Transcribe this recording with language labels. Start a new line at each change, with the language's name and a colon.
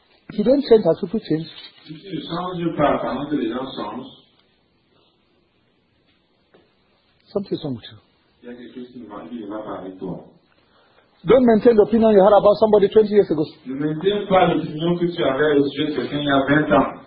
English: If you don't change, as people change.
French: Si tu ne changes pas pendant que les gens changent,
English: something is wrong with you.
French: Il y a quelque chose qui ne va pas avec toi.
English: Don't maintain the opinion you had about somebody 20 years ago.
French: Ne maintiens pas l'opinion que tu avais au sujet de quelqu'un il y a 20 ans.